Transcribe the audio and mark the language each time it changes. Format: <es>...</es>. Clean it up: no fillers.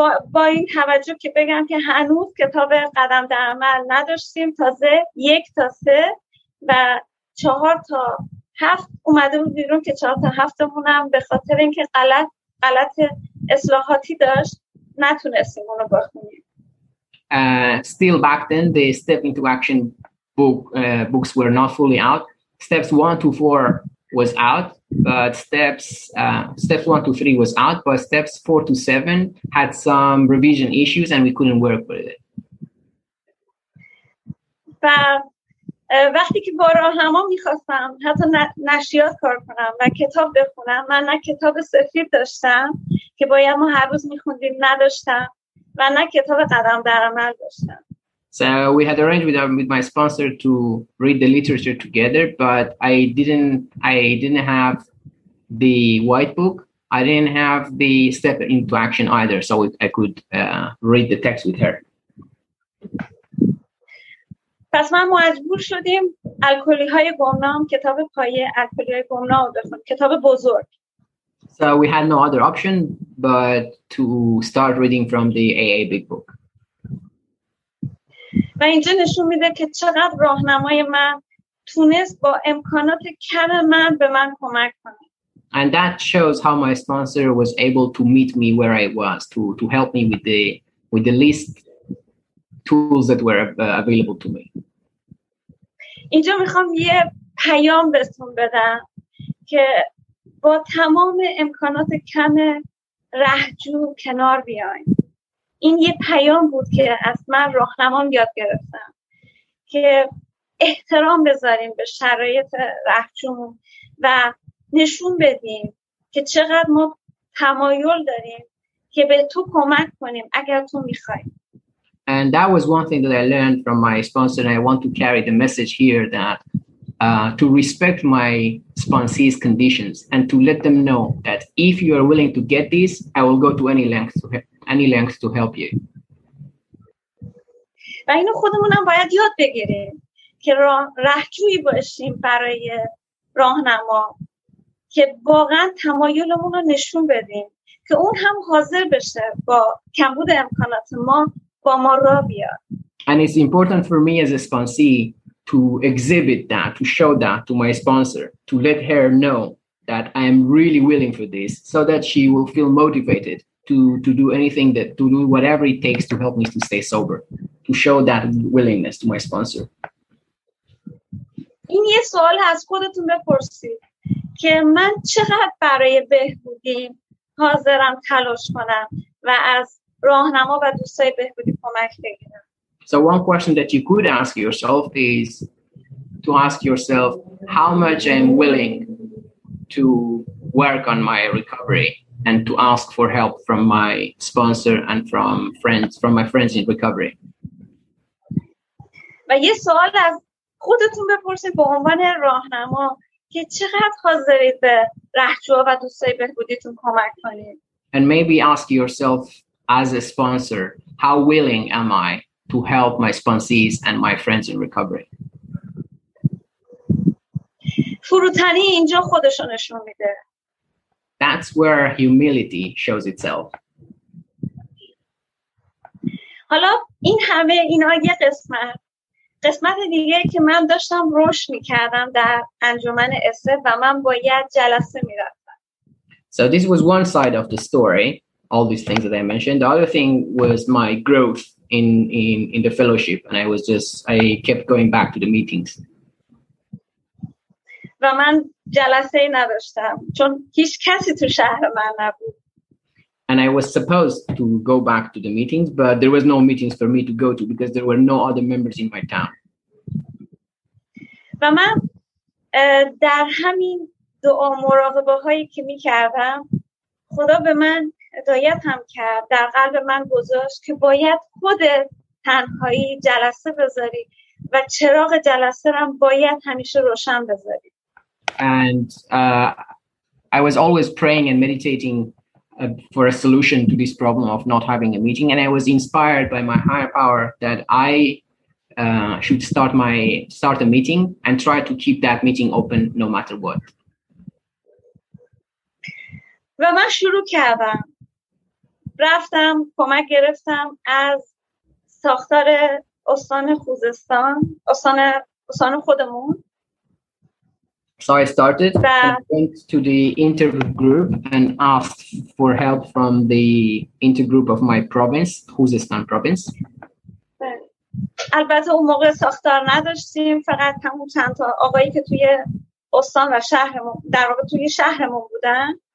<fa>با این توجه که بگم که هنوز کتاب قدم در عمل نداشتیم تازه 1-3 و 4-7 اومده بود بیرون که 4-7 هم به خاطر اینکه غلط اصلاحاتی داشت نتونستیم اونو بخونیم.</fa> <en>Still back then, the Step Into Action books were not fully out. Steps 1-4 was out, but steps 1-3 was out, but steps 4-7 had some revision issues and we couldn't work with it.</en> <fa>وقتی که با راهنما میخواستم حتی نشریات کار کنم و کتاب بخونم من نه کتاب سفید داشتم که باید ما هر روز میخوندیم نداشتم و نه کتاب قدم در عمل داشتم.</fa> <en>So we had arranged with my sponsor to read the literature together, but I didn't have the white book. I didn't have the Step Into Action either, so I could read the text with her.</en> <fa>پس ما مجبور شدیم الکلی های گمنام کتاب پایه الکلی های گمنام بخونیم کتاب بزرگ.</fa> <en>So we had no other option but to start reading from the AA big book.</en> <fa>و اینجا نشون میده که چقدر راهنمای من تونست با امکانات کم من به من کمک کنه.</fa> <en>And that shows how my sponsor was able to meet me where I was to help me with the least tools that were available to me.</en> <fa>اینجا میخوام یه پیام بهتون بدم که با تمام امکانات کم رهجو کنار بیاین. این یه پیام بود که از من راهنمام یاد گرفتم که احترام بذاریم به شرایط رهجومون و نشون بدیم که چقدر ما تمایل داریم که به تو کمک کنیم اگر تو میخوای.</fa> <en>And that was one thing that I learned from my sponsor, and I want to carry the message here that to respect my sponsee's conditions and to let them know that if you are willing to get this, I will go to any length to help you.</en> <fa>و اینو خودمونم باید یاد بگیریم که راهجویی باشیم برای راهنما که واقعا تمایلمون رو نشون بدیم که اون هم حاضر بشه با کمبود امکانات ما با ما را بیاد.</fa> <en>And it's important for me as a sponsee to exhibit that, to show that to my sponsor, to let her know that I am really willing for this, so that she will feel motivated to do anything that, to do whatever it takes to help me to stay sober, to show that willingness to my sponsor.</en> <fa>این یه سوال هست خودتون بپرسید که من چقدر برای بهبودی حاضرم تلاش کنم و از راهنما و دوستای بهبودی کمک بگیرم.</fa> <en>So one question that you could ask yourself is to ask yourself how much I'm willing to work on my recovery and to ask for help from my sponsor and from my friends in recovery.</en> <fa>و یه سوال از خودتون بپرسید به عنوان راهنما که چقدر حاضرید به رهجوها و دوستای بهبودیتون کمک کنید.</fa> <en>And maybe ask yourself as a sponsor, how willing am I to help my sponsees and my friends in recovery.</en> <fa>فروتنی اینجا خودشو نشون میده.</fa> <en>That's where humility shows itself.</en> <fa>حالا این همه اینا یه قسمت دیگه که من داشتم روش میکردم در انجمن اسف و من باید جلسه میرفتم.</fa> <en>So this was one side of the story. all these things that I mentioned. The other thing was my growth in the fellowship, and I kept going back to the meetings.</en> <fa>و من جلسه نداشتم چون هیچ کسی تو شهر من نبود.</fa> <en>And I was supposed to go back to the meetings, but there was no meetings for me to go to because there were no other members in my town.</en> <fa>و من در همین دعا مراقبه هایی که می کردم خدا به من هدایت هم کرد در قلب من گذاشت که باید خود تنهایی جلسه بذاری و چراغ جلسه رو باید همیشه روشن بذاری.</fa> <en>And I was always praying and meditating for a solution to this problem of not having a meeting. And I was inspired by my higher power that I should start a meeting and try to keep that meeting open no matter what.</en> <fa>و من شروع کردم. رفتم کمک گرفتم از ساختار استان خوزستان، استان خودمون.</fa> <en>So I started and went to the intergroup and asked for help from the intergroup of my province, Khuzestan province.</en> <fa>البته اون موقع ساختار نداشتیم، فقط همون چند تا آقایی که توی استان و شهرمون، در واقع توی شهرمون بودن.</fa>